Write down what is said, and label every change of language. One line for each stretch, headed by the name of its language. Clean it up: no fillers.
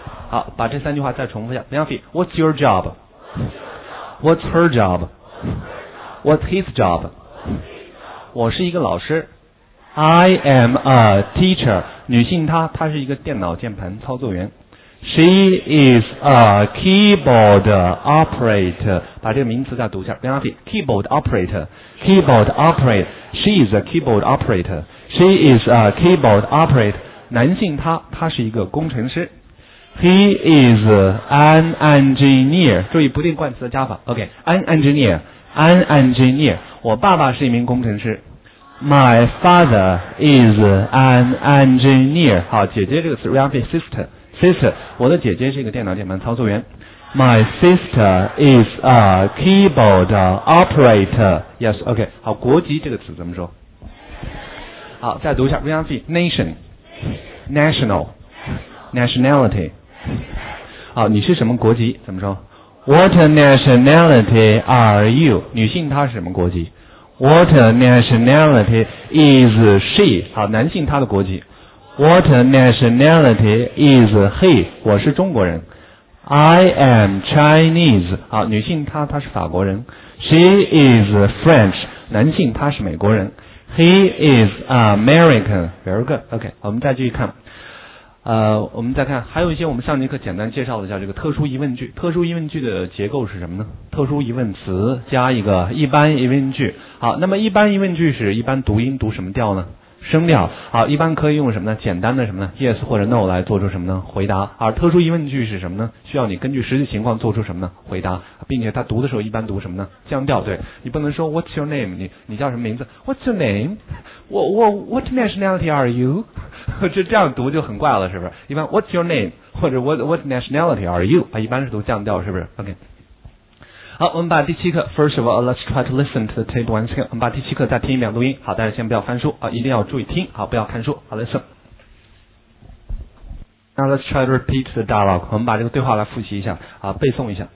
Chinese: 好，把这三句话再重复一下。
English: Nancy, what's your job? What's her job? What's his job?
Chinese: 我是一个老师。
English: I am a teacher.
Chinese: 女性她，她是一个电脑键盘操作员。
English: She is a keyboard operator.
Chinese: 把这个名词再读一下。
English: Nancy, keyboard operator. Keyboard operator. She is a keyboard operator. She is a keyboard operator.
Chinese: 男性他，他是一个工程师。
English: He is an engineer.
Chinese: 注意不定冠词的加法。
English: OK, an engineer, an engineer.
Chinese: 我爸爸是一名工程师。
English: My father is an engineer.
Chinese: 好，姐姐这个词 ，
English: reality sister, sister.
Chinese: 我的姐姐是一个电脑键盘操作员。
English: My sister is a keyboard operator. Yes, OK.
Chinese: 好，国籍这个词怎么说？好，再读一下 ，
English: reality nation, national, nationality.
Chinese: 好，你是什么国籍？怎么说
English: ？What nationality are you?
Chinese: 女性她是什么国籍
English: ？What nationality is she?
Chinese: 好，男性她的国籍
English: ？What nationality is he?
Chinese: 我是中国人。
English: I am Chinese.
Chinese: 好，女性她，她是法国人。
English: She is French.
Chinese: 男性她是美国人。
English: He is American. Very good. OK,
Chinese: 我们再继续看。我们再看，还有一些我们上节课简单介绍的叫这个特殊疑问句。特殊疑问句的结构是什么呢？特殊疑问词加一个一般疑问句。好，那么一般疑问句是一般读音读什么调呢？声调。好，一般可以用什么呢？简单的什么呢？ Yes 或者 No 来做出什么呢？回答。而特殊疑问句是什么呢？需要你根据实际情况做出什么呢？回答。并且他读的时候一般读什么呢？降调。对，你不能说
English: What's your name?
Chinese: 你叫什么名字？
English: What's your name? What nationality are you?
Chinese: 这样读就很怪了，是不是？
English: 一般 What's your name? 或者 What nationality are you?
Chinese: 一般是读降调，是不是？ OK, 好，我们把第七课
English: First of all, let's try to listen to the tape once again.
Chinese: 我们把第七课再听一遍录音。好，但是先不要翻书啊，一定要注意听。好，不要看书。好 ，
English: listen. Now let's try to repeat the dialogue.
Chinese: 我们把这个对话来复习一下啊，背诵一下。